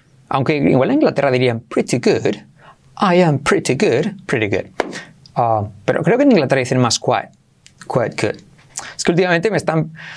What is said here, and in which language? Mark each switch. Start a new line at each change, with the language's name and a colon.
Spanish: Aunque igual en Inglaterra dirían,
English: pretty good. I am pretty good, pretty good.
Spanish: Pero creo que en Inglaterra dicen más
English: quite good.
Spanish: Es que últimamente me están...